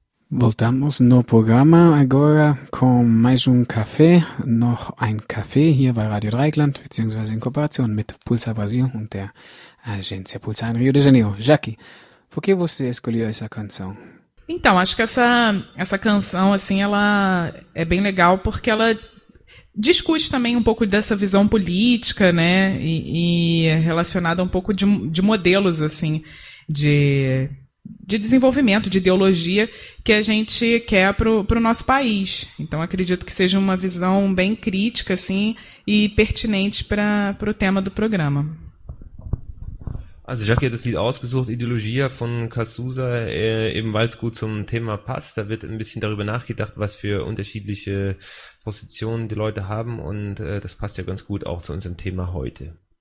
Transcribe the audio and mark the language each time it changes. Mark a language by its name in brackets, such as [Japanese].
[Portuguese] voltamos no programa agora com mais café, [German] noch ein Café hier bei Radio Dreieckland, beziehungsweise in Kooperation mit Pulsar Brasil und der Agência Pulsar in Rio de Janeiro. [Portuguese] Jaque, por que você escolheu essa canção? Então, acho que essa canção, assim, ela é bem legal porque ela discute também um pouco dessa visão política, né, e relacionada um pouco de modelos, assim, de desenvolvimento, de ideologia que a gente quer para o nosso país. Então, acredito que seja uma visão bem crítica, assim, e pertinente para o tema do programa. [German] Also Jacqui hat das Lied ausgesucht, Ideologia von Cazuza, eben weil es gut zum Thema passt. Da wird ein bisschen darüber nachgedacht, was für unterschiedliche Positionen die Leute haben und das passt ja ganz gut auch zu unserem Thema heute.